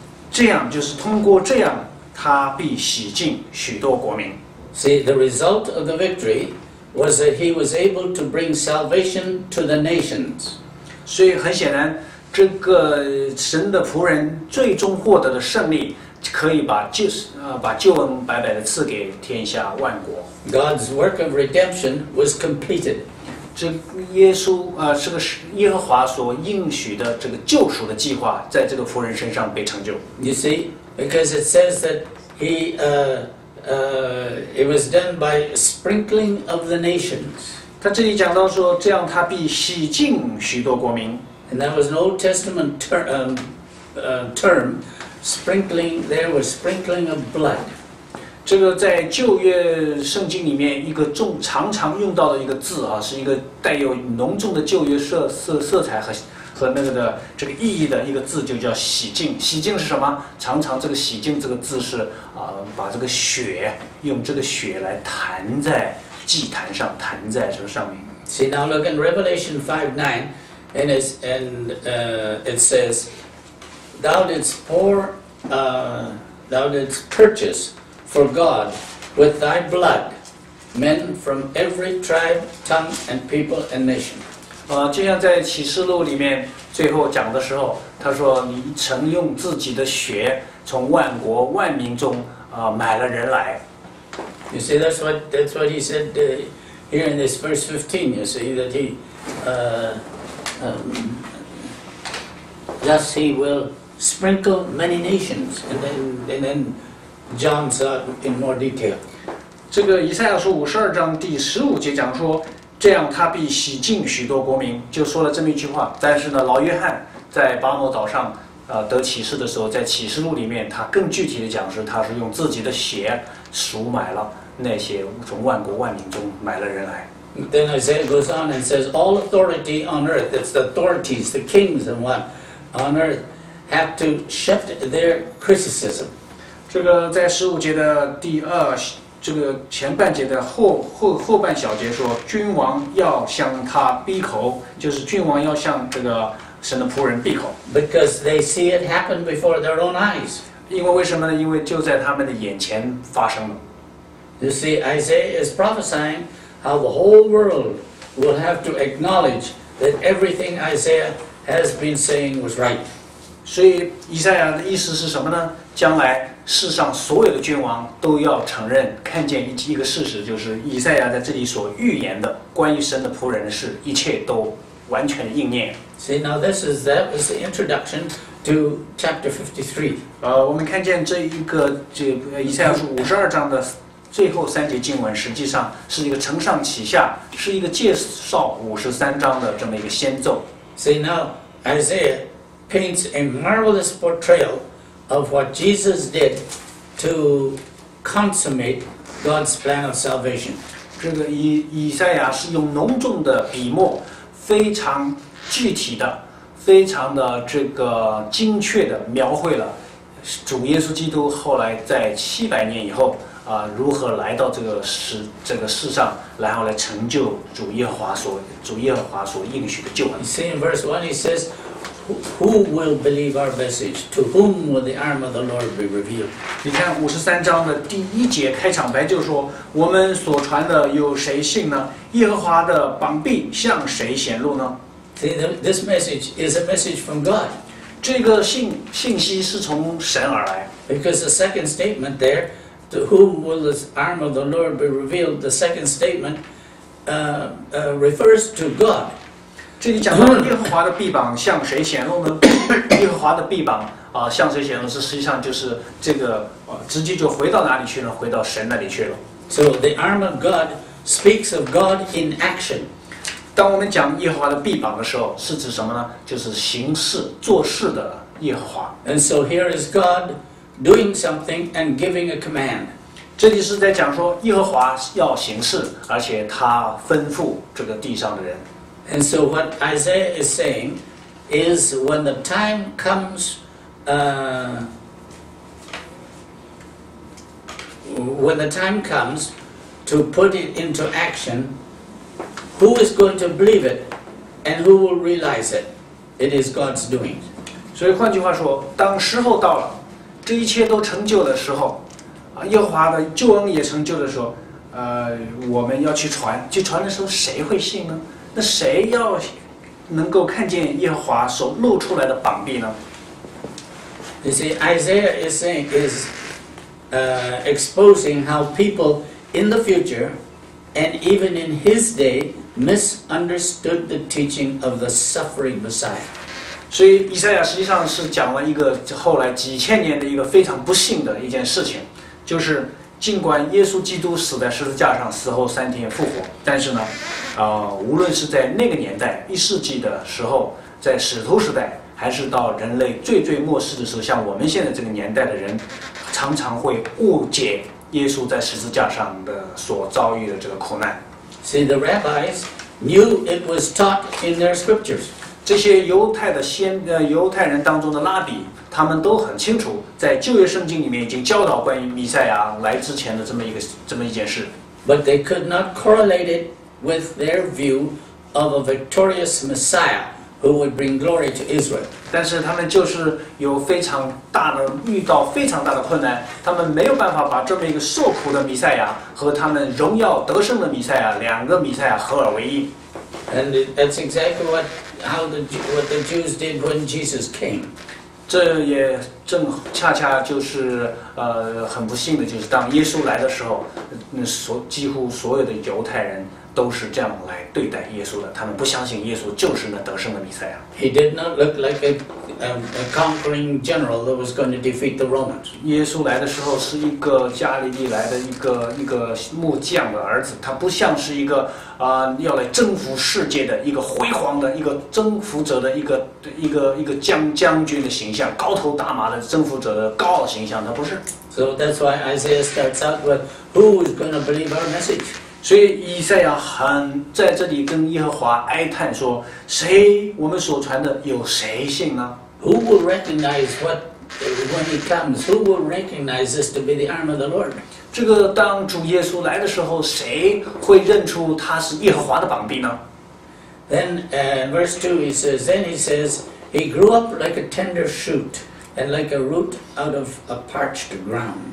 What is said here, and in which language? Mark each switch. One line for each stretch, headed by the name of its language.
Chinese: 这样就是通过这样，他必洗净许多国民。
English: See, the result of the victory was that he was able to bring salvation to the nations.
Chinese: 所以很显然，这个神的仆人最终获得的胜利，可以把救恩白白的赐给天下万国。
English: God's work of redemption was completed.
Chinese: 这耶稣是个耶和华所应许的这个救赎的计划，在这个仆人身上被成就。
English: You see, because it says that it was done by sprinkling of the nations.
Chinese: 他这里讲到说，这样他必洗净许多国民。
English: And that was an Old Testament term. Sprinkling, there was sprinkling of blood.
Chinese: 这个在旧约圣经里面一个常常用到的一个字是一个带有浓重的旧约色彩和和那个的这个意义的一个字就叫洗净。洗净是什么？常常这个洗净这个字是把这个血用这个血来弹在祭坛上，弹在这个上面。
English: See now look in Revelation 5:9, it says, thou didst purchase for God with thy blood men from every tribe, tongue, and people and nation.
Chinese: 就像在启示录里面最后讲的时候，他说你曾用自己的血从万国万民中买了人来。
English: You see, that's what he said here in this verse 15. You see that thus he will sprinkle many nations, and then John saw in more detail.
Chinese: 这个以赛亚书五十二章第十五节讲说。这样他必洗净许多国民，就说了这么一句话。但是呢，老约翰在巴摩岛上得启示的时候，在启示录里面他更具体的讲是，他是用自己的血赎买了那些从万国万民中买了人来。
English: Then Isaiah goes on and says, all authority on earth, that's the authorities, the kings and what on earth, have to shift their criticism.
Chinese: 这个在十五节的第二这个前半节的 后半小节说，君王要向他闭口，就是君王要向这个神的仆人闭口。
English: Because they see it happen before their own eyes.
Chinese: 因为什么呢？因为就在他们的眼前发生了。
English: You see, Isaiah is prophesying how the whole world will have to acknowledge that everything Isaiah has been saying was right.
Chinese: 所以以赛亚的意思是什么呢？将来世上所有的君王都要承认看见一个事实，就是以赛亚在这里所预言的关于神的仆人的事，一切都完全应验。
English: See now that was the introduction to chapter 53.
Chinese: 我们看见这一个以赛亚书五十二章的最后三节经文，实际上是一个承上启下，是一个介绍五十三章的这么一个先奏。
English: See now Isaiah paints a marvelous portrayal of what Jesus did to consummate God's plan of salvation.
Chinese: 这个以赛亚是用浓重的笔墨，非常具体的，非常的这个精确的描绘了主耶稣基督后来在七百年以后如何来到这个世上，然后来成就主耶和华所应许的救恩。
English: See in verse 1, he says,Who will believe our message? To whom will the arm of the Lord be revealed?
Chinese: 你看五十三章的第一节开场白就说，我们所传的有谁信呢？耶和华的膀臂向谁显露呢？
English: See, this message is a message from God.
Chinese: 这个信息是从神而来。
English: Because the second statement there, to whom will the arm of the Lord be revealed? The second statement refers to God.
Chinese: 这里讲到耶和华的臂膀向谁显露呢？耶和华的臂膀向谁显露，是实际上就是这个直接就回到哪里去呢？回到神那里去了。
English: So the arm of God speaks of God in action.
Chinese: 当我们讲耶和华的臂膀的时候，是指什么呢？就是行事做事的耶和华。
English: And so here is God doing something and giving a command.
Chinese: 这里是在讲说耶和华要行事，而且他吩咐这个地上的人。
English: And so what Isaiah is saying is when the time comes, when the time comes to put it into action, who is going to believe it and who will realize it? It is God's doing.
Chinese: 所以换句话说，当时候到了，这一切都成就的时候，耶和华的救恩也成就的时候，我们要去传，去传的时候谁会信呢？那谁要能够看见耶和华所露出来的膀臂呢？
English: You see, Isaiah is saying is exposing how people in the future and even in his day misunderstood the teaching of the suffering Messiah.
Chinese: 所以以赛亚实际上是讲了一个后来几千年的一个非常不幸的一件事情，就是尽管耶稣基督死在十字架上，死后三天复活，但是呢，无论是在那个年代一世纪的时候，在使徒时代，还是到人类最最末世的时候，像我们现在这个年代的人，常常会误解耶稣在十字架上的所遭遇的这个苦难。
English: See, the rabbis knew it was taught in their scriptures.
Chinese: 这些犹太的先犹太人当中的拉比，他们都很清楚，在旧约圣经里面已经教导关于弥赛亚来之前的这么一件事。
English: But they could not correlate it with their view of a victorious Messiah who would bring glory to Israel.
Chinese: 但是他们就是有非常大的遇到非常大的困难，他们没有办法把这么一个受苦的弥赛亚和他们荣耀得胜的弥赛亚两个弥赛亚合而为一。
English: And that's exactly what the Jews did when Jesus came.
Chinese: 这也正恰恰就是很不幸的就是当耶稣来的时候，几乎所有的犹太人都是这样来对待耶稣的，他们不相信耶稣就是那得胜的弥赛亚。
English: He did not look like a conquering general that was going to defeat the Romans.
Chinese: 耶稣来的时候是一个加利利来的一个木匠的儿子，他不像是一个要来征服世界的一个辉煌的一个征服者的一个将军的形象，高头大马的征服者的高傲形象，他不是。
English: So that's why Isaiah starts out with, "Who is going to believe our message?"
Chinese: 所以以赛亚很在这里跟耶和华哀叹说，谁我们所传的有谁信呢？
English: Who will recognize when he comes? Who will recognize this to be the arm of the Lord?
Chinese: 这个当主耶稣来的时候，谁会认出他是耶和华的膀臂呢？
English: Then verse 2 he says, then he says, he grew up like a tender shoot. And like a root out of a parched ground.